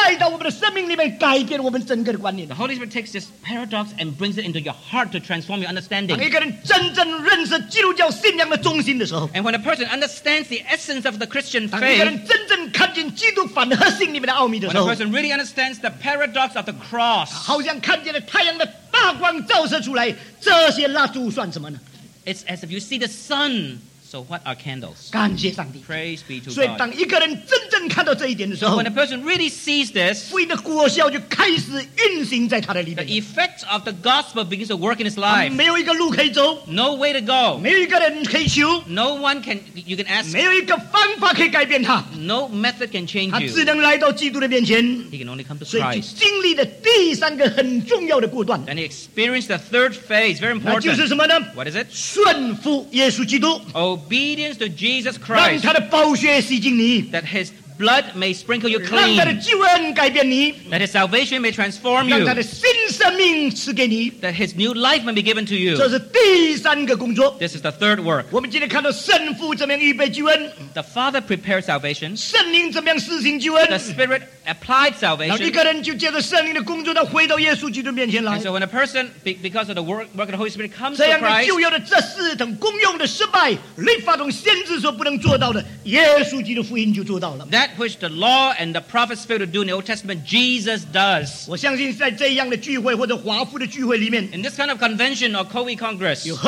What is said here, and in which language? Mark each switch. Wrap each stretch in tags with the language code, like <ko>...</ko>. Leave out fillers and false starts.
<zh>圣灵就把这个反合性带到我们的生命里面，改变我们整个的观念。</zh> <en>The Holy Spirit takes this paradox and brings it into your heart to transform your understanding.</en> <zh>当一个人真正认识基督教信仰的中心的时候，</zh> <en>and when a person understands the essence of the Christian faith,</en> <zh>当一个人真正看见基督反合性里面的奥秘的时候，</zh> <en>when a person really understands the paradox of the cross,</en> <zh>好像看见了太阳的大光照射出来，这些蜡烛算什么呢？</zh> <en>It's as if you see the sun. So what are candles?</en> <zh>感谢上帝。</zh> <en>Praise be to God.</en> <zh>所以当一个人真正看到这一点的时候，</zh> <en>when a person really sees this,</en> <zh>福音的果效就开始运行在他的里面。</zh> <en>The effects of the gospel begins to work in his life.</en> <zh>没有一个路可以走，</zh> <en>no way to go.</en> <zh>没有一个人可以求，</zh> <en>no one can, you can ask.</en> <zh>没有一个方法可以改变他，</zh> <en>no method can change you.</en> <zh>他只能来到基督的面前，</zh> <en>he can only come to Christ.</en> <zh>所以经历了第三个很重要的过段，</zh> <en>and he experienced the third phase, very important.</en> <zh>那就是什么呢？</zh> <en>What is it?</en> <zh>顺服耶稣基督。</zh> <en>Obedience to Jesus Christ.</en> <zh>让他的宝血洗净你,</zh> <en>that his blood may sprinkle you clean.</en> <zh>让他的救恩改变你,</zh> <en>that his salvation may transform you.</en> <zh>让他的新生命赐给你,</zh> <en>that his new life may be given to you.</en> <zh>这是第三个工作,</zh> <en>this is the third work.</en> <zh>我们今天看到圣父怎么样预备救恩,</zh> <en>the Father prepared salvation.</en> <zh>圣灵怎么样施行救恩,</zh> <en>the Spirit applied salvation.</en> <zh>然后一个人就借着圣灵的工作到回到耶稣基督面前来。</zh> <en>And so when a person, because of the work of the Holy Spirit, comes to Christ,</en> <zh>这样的旧约的这四等功用的失败, 律法中先知所不能做到的, 耶稣基督福音就做到了。</zh> <en>That which the law and the prophets failed to do in the Old Testament, Jesus does.</en> <zh>我相信在这样的聚会或者华富的聚会里面,</zh> <en>in this kind of convention or COVID Congress,</en>